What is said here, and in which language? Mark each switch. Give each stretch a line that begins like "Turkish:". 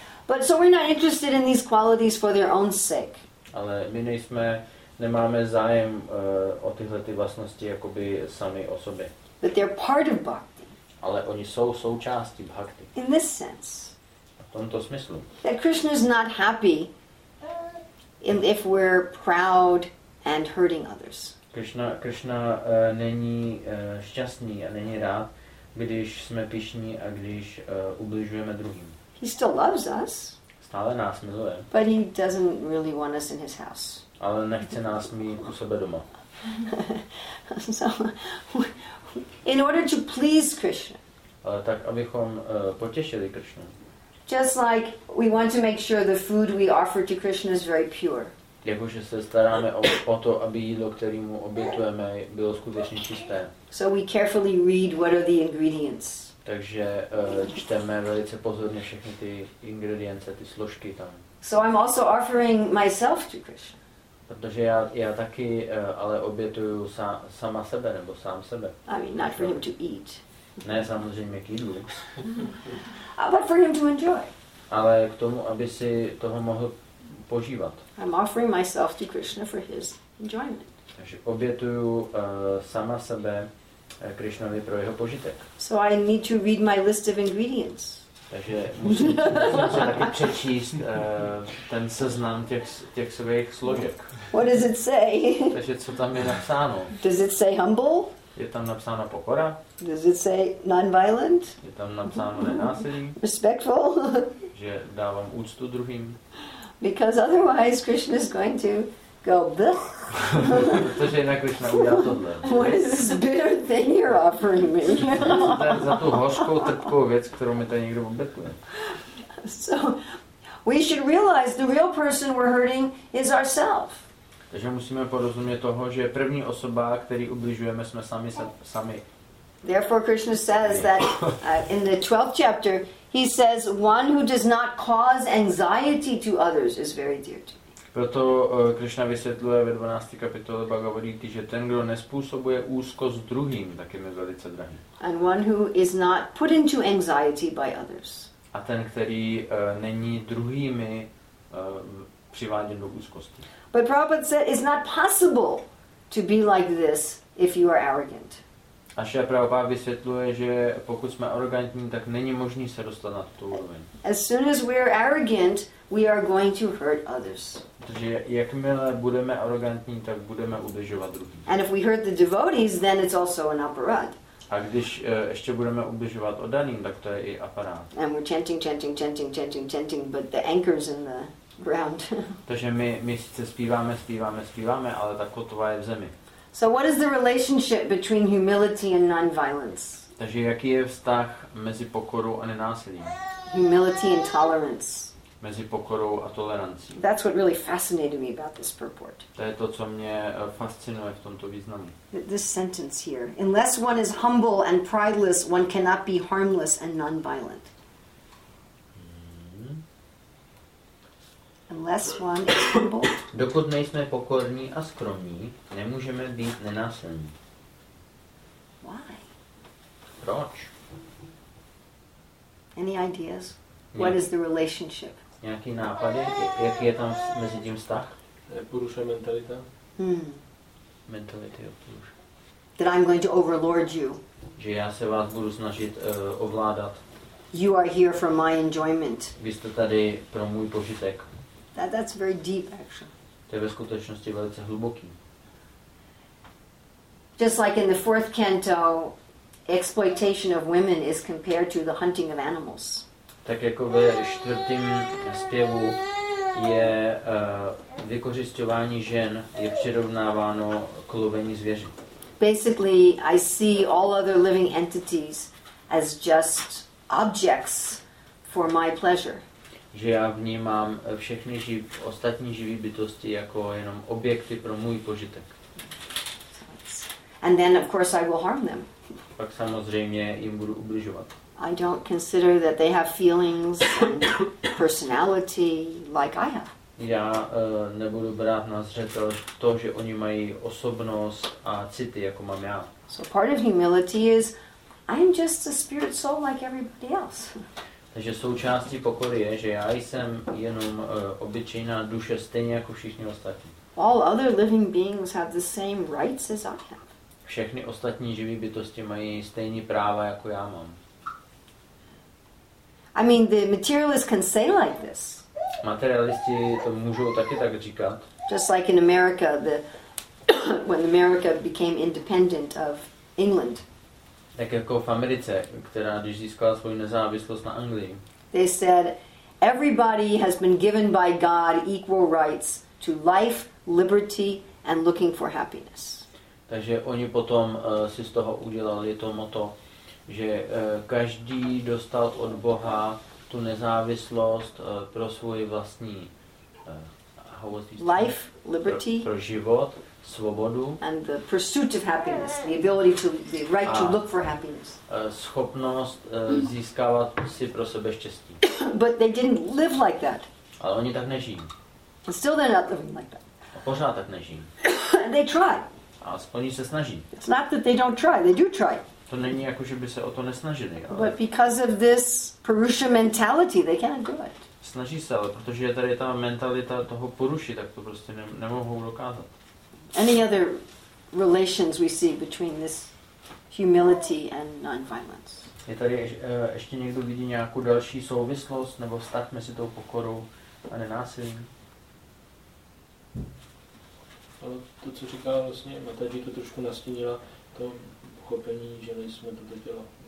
English: But so we're not interested in these qualities for their own sake.
Czech: Ale my nemáme zájem o tyhle ty vlastnosti jakoby sami o sobě.
English: But they're part of bhakti.
Czech: Ale oni jsou součástí bhakti.
English: In this sense.
Czech: V tomto smyslu.
English: That Krishna is not happy if we're proud and hurting others.
Czech: Krishna není šťastný a není rád, když jsme pyšní a když ubližujeme druhým.
English: He still loves us.
Czech: Stále nás miluje.
English: But he doesn't really want us in his house.
Czech: Ale nechce nás mít u sebe doma.
English: So, in order to please Krishna.
Czech: Ale tak abychom potěšili Krishnu.
English: Just like we want to make sure the food we offer to Krishna is very pure.
Czech: Jakože se staráme o to, aby jídlo, které mu obětujeme, bylo skutečně čisté.
English: So we carefully read what are the ingredients.
Czech: Takže čteme velice pozorně všechny ty ingredience, ty složky tam.
English: So I'm also offering myself to Krishna.
Czech: Protože já taky ale obětuju sama sebe nebo sám sebe.
English: I mean, not for him to eat.
Czech: Ne, samozřejmě k jídlu.
English: But for him to enjoy.
Czech: Ale k tomu, aby si toho mohl požívat.
English: I'm offering myself to Krishna for his enjoyment.
Czech: Takže obětuju sama sebe Krishnovi pro jeho požitek.
English: So I need to read my list of ingredients.
Czech: Takže musím si taky přečíst ten seznam těch svých složek.
English: What does it say?
Czech: Takže co tam je napsáno?
English: Does it say humble?
Czech: Je tam napsáno pokora?
English: Does it say non-violent?
Czech: Je tam napsáno nenásilí?
English: Respectful?
Czech: Že dávám úctu druhým?
English: Because otherwise Krishna is going to go blech.
Czech: Protože jinak Krishna udělá tohle.
English: What is this bitter thing you're offering me?
Czech: Za tu hořkou, trpkou věc, kterou mi tady někdo obětuje.
English: So we should realize the real person we're hurting is ourself.
Czech: Takže musíme porozumět toho, že první osoba, který ubližujeme, jsme sami.
English: Therefore Krishna says that in the 12th chapter, he says, one who does not cause anxiety to others is very dear to me.
Czech: Proto Krishna vysvětluje ve 12. kapitole Bhagavad Gita, že ten, kdo nespůsobuje úzkost druhým, tak je mi velice drahý.
English: And one who is not put into anxiety by others.
Czech: A ten, který není druhými přiváděn do úzkosti.
English: But Prabhupada said, it's not possible to be like this if you are arrogant.
Czech: A Šila Prabhupada vysvětluje, že pokud jsme arrogantní, tak není možný se dostat na tu úroveň.
English: As soon as we are arrogant, we are going to hurt others.
Czech: Takže jakmile budeme arrogantní, tak budeme ubližovat druhým.
English: And if we hurt the devotees, then it's also an aparat.
Czech: A když ještě budeme ubližovat oddaným, tak to je i aparát.
English: And we're chanting, but the anchor's in the ground.
Czech: Takže my sice zpíváme, ale ta kotva je v zemi.
English: So what is the relationship between humility and non-violence?
Czech: Takže jaký je vztah mezi pokorou a nenásilím?
English: Humility and tolerance.
Czech: Mezi pokorou a tolerancí.
English: That's what really fascinated me about this purport.
Czech: To je to, co mě fascinuje v tomto významu.
English: This sentence here. Unless one is humble and prideless, one cannot be harmless and non-violent. Unless one is humble.
Czech: Dokud nejsme pokorní a skromní, nemůžeme být nenásilní.
English: Why?
Czech: Proč?
English: Any ideas? What is the relationship?
Czech: Nějaký nápady? Jaký je tam mezi tím vztah? Purusha mentalita.
English: Mentality of purusha. That I'm going to overlord you.
Czech: Že já se vás budu snažit ovládat.
English: You are here for my enjoyment.
Czech: Vy jste tady pro můj požitek.
English: That's very deep, actually.
Czech: To je ve skutečnosti velice hluboký.
English: Just like in the fourth canto, exploitation of women is compared to the hunting of animals.
Czech: Tak jako ve čtvrtém zpěvu je vykořisťování žen je přirovnáváno k lovení zvěří.
English: Basically, I see all other living entities as just objects for my pleasure.
Czech: Že já vnímám všechny ostatní živé bytosti jako jenom objekty pro můj požitek.
English: And then of course I will harm them.
Czech: Pak samozřejmě jim budu ubližovat.
English: I don't consider that they have feelings and personality like I have.
Czech: Já nebudu brát na zřetel to, že oni mají osobnost a city jako mám já.
English: So part of humility is I'm just a spirit soul like everybody else.
Czech: Takže součástí pokory je, že já jsem jenom obyčejná duše stejně jako všichni ostatní.
English: All other living beings have the same rights as I have.
Czech: Všechny ostatní živé bytosti mají stejné práva jako já mám.
English: I mean, the materialists can say like this.
Czech: Materialisti to můžou taky tak říkat.
English: Just like in America, when America became independent of England.
Czech: Tak jako v Americe, která když získala svou nezávislost na Anglii.
English: They said everybody has been given by God equal rights to life, liberty and looking for happiness.
Czech: Takže oni potom si z toho udělali to motto, že každý dostal od Boha tu nezávislost pro svůj vlastní
English: life, liberty,
Czech: pro život, svobodu,
English: and the pursuit of happiness, the ability to, the right to look for happiness.
Czech: Schopnost získávat si pro sebe štěstí.
English: But they didn't live like that.
Czech: Ale oni tak nežijí.
English: And still they're not living like that.
Czech: A pořád tak nežijí.
English: They try.
Czech: Aspoň se snaží.
English: It's not that they don't try, they do try.
Czech: To není jako, že by se o to nesnažili. Ale...
English: But because of this Purusha mentality, they can't do it.
Czech: Snaží se, ale protože je tady ta mentalita toho poruši, tak to prostě nemohou dokázat.
English: Any other relations we see between this humility and non-violence?
Czech: Je tady ještě někdo vidí nějakou další souvislost nebo vztah mezi tou pokorou a nenásilím? To, co říká vlastně Mataji, to trošku nastínila to pochopení, že nejsme toto tělo.